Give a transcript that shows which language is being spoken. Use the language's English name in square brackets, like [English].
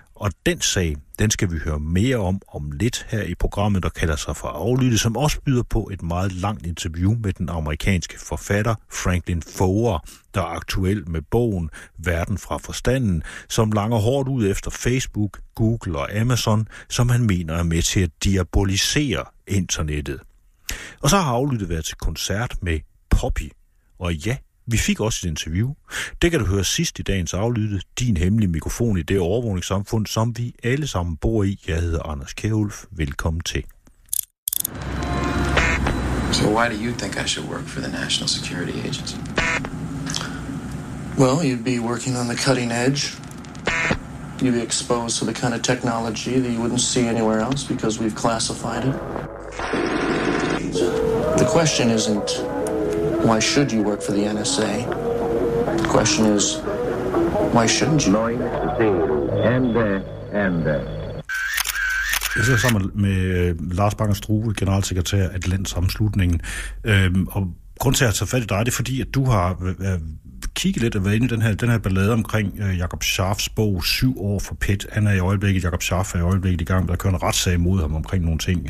[Danish] Og den sag, den skal vi høre mere om lidt her i programmet, der kalder sig for Aflyttet, som også byder på et meget langt interview med den amerikanske forfatter Franklin Foer, der er aktuel med bogen Verden fra forstanden, som langer hårdt ud efter Facebook, Google og Amazon, som han mener er med til at diabolisere internettet. Og så har Aflyttet været til koncert med Poppy, og ja, vi fik også et interview. Det kan du høre sidst i dagens Aflyttet, din hemmelige mikrofon i det overvågningssamfund, som vi alle sammen bor i. Jeg hedder Anders Kjærulf. Velkommen til. [English] So why do you think I should work for the National Security Agency? Well, you'd be working on the cutting edge. You'd be exposed to the kind of technology that you wouldn't see anywhere else because we've classified it. The question isn't why should you work for the NSA? The question is, why shouldn't you? Knowing the scene, and there. [Danish] Jeg sidder sammen med Lars Bakker Struve, generalsekretær af Atlantsammenslutningen. Og grund til at tage fat i dig, det er fordi, at du har kigget lidt og været inde i den her ballade omkring Jakob Scharfs bog 7 år for PET. Han er i øjeblikket, Jakob Scharf er i øjeblikket i gang med at køre en retssag mod ham omkring nogle ting.